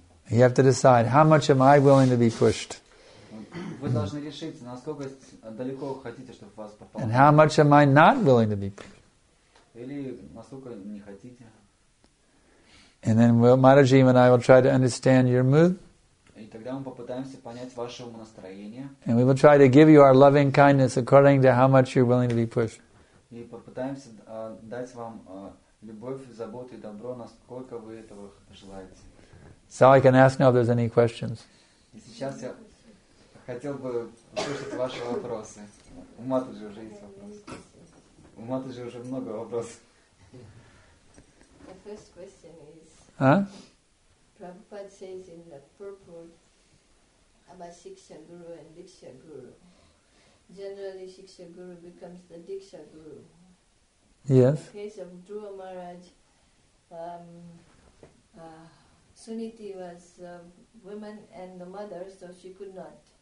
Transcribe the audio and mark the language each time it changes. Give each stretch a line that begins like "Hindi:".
English: You have to decide how much am I willing to be pushed.
Russian: Вы должны решить, насколько далеко вы хотите, чтобы вас пополнили.
English: And how much am I not willing to be pushed.
Russian: Или насколько не хотите.
English: And then Mataji and I will try to understand your mood.
Russian: И тогда мы попытаемся понять ваше настроение.
English: And we will try to give you our loving kindness according to how much you're willing to be pushed.
Russian: И попытаемся дать вам любовь, заботу и добро, насколько вы этого желаете.
English: So I can ask now if there's any questions.
Russian: И сейчас я хотел бы услышать ваши вопросы. У Mataji уже есть вопросы. У Матаджи уже много вопросов.
English: The first question is, Prabhupada says in the purport, Abhashiksha Guru and Diksha Guru. Generally, Shiksha Guru becomes the Diksha Guru. Yes. In the case of Dhruva Maharaj, Suniti was a woman and the mother, so she could not.